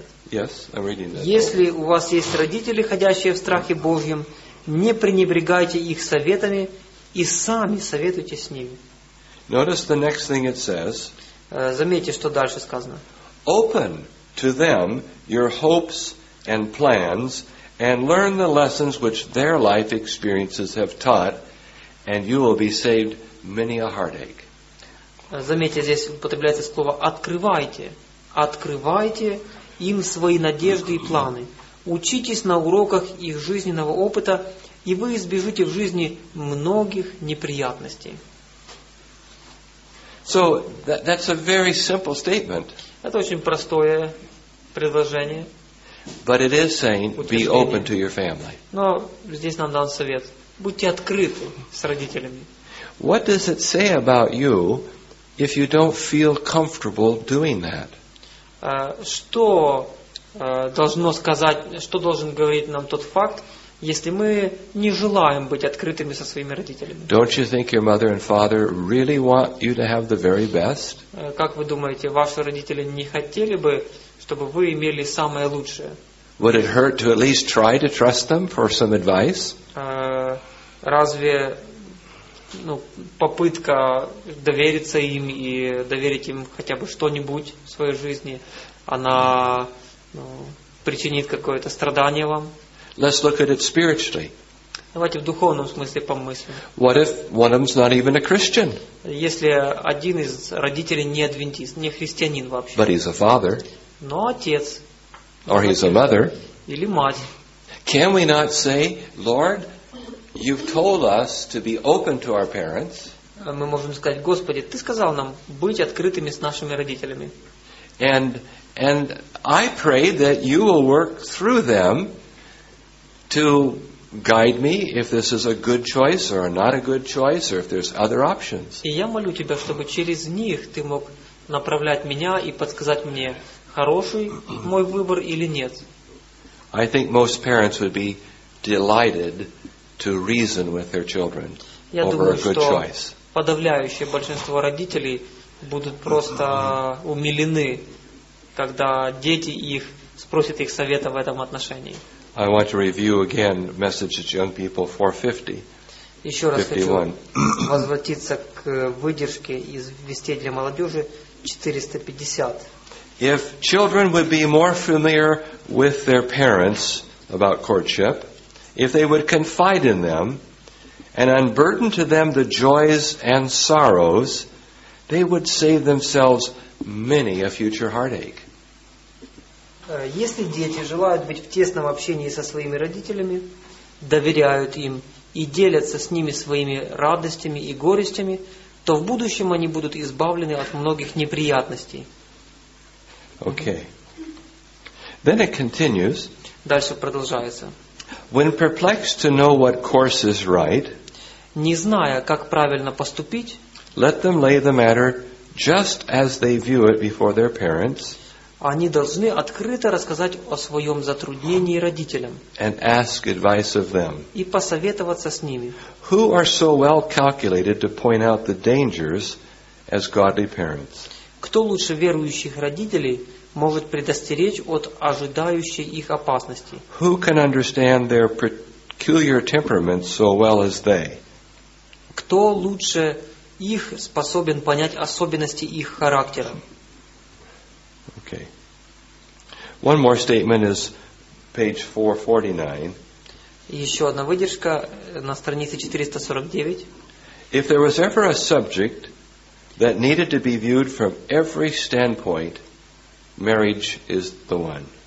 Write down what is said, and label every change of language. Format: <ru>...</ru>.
<ru>Если у вас есть родители, ходящие в страхе Божьем, не пренебрегайте их советами и сами советуйте с ними.</ru> <en>Notice the next thing it says.</en> <ru>Заметьте, что дальше сказано.</ru> <en>Open to them your hopes and plans and learn the lessons which their life experiences have taught, and you will be saved many a heartache.</en> <ru>Заметьте, здесь употребляется слово «открывайте». Открывайте им свои надежды и планы. Учитесь на уроках их жизненного опыта, и вы избежите в жизни многих неприятностей.</ru> <en>So that's a very simple statement.</en> <ru>Это очень простое предложение.</ru> <en>But it is saying be open to your family.</en> <ru>Но здесь нам дан совет. Будьте открыты с родителями.</ru> <en>What does it say about you if you don't feel comfortable doing that?</en> <ru>Что должно сказать, что должен говорить нам тот факт, если мы не желаем быть открытыми со своими родителями?</ru> <en>Don't you think your mother and father really want you to have the very best?</en> <ru>Как вы думаете, ваши родители не хотели бы, чтобы вы имели самое лучшее?</ru> <en>Would it hurt to at least try to trust them for some advice?</en> <ru>Разве попытка довериться им и доверить им хотя бы что-нибудь в своей жизни, она причинит какое-то страдание вам.</ru> <en>Let's look at it spiritually.</en> <ru>Давайте в духовном смысле помыслим.</ru> <en>What if one of them's not even a Christian?</en> <ru>Если один из родителей не адвентист, не христианин вообще.</ru> <en>But he's a father.</en> <ru>Но отец.</ru> <en>Or he's a mother.</en> <ru>Или мать.</ru> <en>Can we not say, Lord, You've told us to be open to our parents.</en> <ru>Мы можем сказать, Господи, Ты сказал нам быть открытыми с нашими родителями.</ru> <en>And I pray that You will work through them to guide me if this is a good choice or not a good choice or if there's other options.</en> <ru>И я молю Тебя, чтобы через них Ты мог направлять меня и подсказать мне, хороший мой выбор или нет.</ru> <en>I think most parents would be delighted to reason with their children over a good choice.</en> <ru>Подавляющее большинство родителей будут просто умилены, когда дети их спросят их совета в этом отношении.</ru> <en>I want to review again message to young people 450.</en> <ru>Еще раз 51. Хочу возвратиться к выдержке из «Вестей для молодежи» 450.</ru> <en>If children would be more familiar with their parents about courtship, if they would confide in them and unburden to them the joys and sorrows, they would save themselves many a future heartache.</en> <ru>Если дети желают быть в тесном общении со своими родителями, доверяют им и делятся с ними своими радостями и горестями, то в будущем они будут избавлены от многих неприятностей.</ru> <en>Okay. Then it continues.</en> <ru>Дальше продолжается.</ru> <en>When perplexed to know what course is right,</en> <ru>не зная, как правильно поступить,</ru> <en>let them lay the matter just as they view it before their parents.</en> <ru>Они должны открыто рассказать о своем затруднении родителям</ru> <en>and ask advice of them.</en> <ru>И посоветоваться с ними.</ru> <en>Who are so well calculated to point out the dangers as godly parents?</en> <ru>Кто лучше верующих родителей может предостеречь от ожидающей их опасности?</ru> <en>Who can understand their peculiar temperament so well as they?</en> <ru>Кто лучше их способен понять особенности их характера?</ru> <en>Okay. One more statement is page 449.</en> <ru>Еще одна выдержка на странице 449.</ru> <en>If there was ever a subject that needed to be viewed from every standpoint, marriage is the one.</en>